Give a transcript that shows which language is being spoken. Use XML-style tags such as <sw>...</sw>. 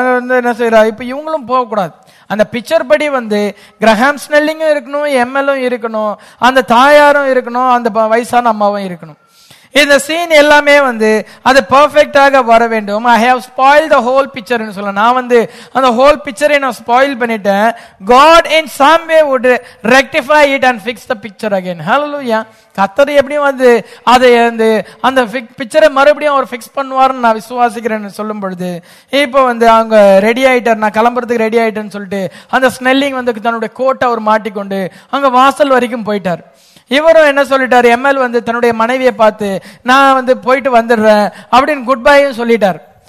<ta>அவர் வந்து என்ன செய்கிறார், இப்போ இவங்களும் போகக்கூடாது, அந்த பிக்சர் படி வந்து கிரஹாம் ஸ்னெல்லிங்கும் இருக்கணும், எம்எல்ஏவும் இருக்கணும், அந்த தாயாரும் இருக்கணும், அந்த வயசான அம்மாவும் இருக்கணும். இந்த சீன் எல்லாமே வந்து அது பர்ஃபெக்டாக வர வேண்டும்.</ta> <en>I have spoil the whole picture</en> <ta>சொல்ல, நான் வந்து அந்த ஹோல் பிக்சரை நான் ஸ்பாயில் பண்ணிட்டேன்.</ta> <en>God in some way would rectify it and fix the picture again. Hallelujah.</en> <ta>கத்தர் எப்படியும் வந்து அதை வந்து அந்த பிக்சரை மறுபடியும் அவர் ஃபிக்ஸ் பண்ணுவார்னு நான் விசுவாசிக்கிறேன்னு சொல்லும் பொழுது, இப்போ வந்து அவங்க ரெடி ஆகிட்டார், நான் கிளம்புறதுக்கு ரெடி ஆகிட்டேன்னு சொல்லிட்டு அந்த ஸ்னெல்லிங் வந்து தன்னுடைய கோட்டை அவர் மாட்டிக்கொண்டு அங்கே வாசல் வரைக்கும் போயிட்டார். இவரும் என்ன சொல்லிட்டார், எம்எல் வந்து தன்னுடைய மனைவியை பார்த்து நான் வந்து போயிட்டு வந்துடுறேன் அப்படின்னு குட் பையும் சொல்லிட்டார்.</ta>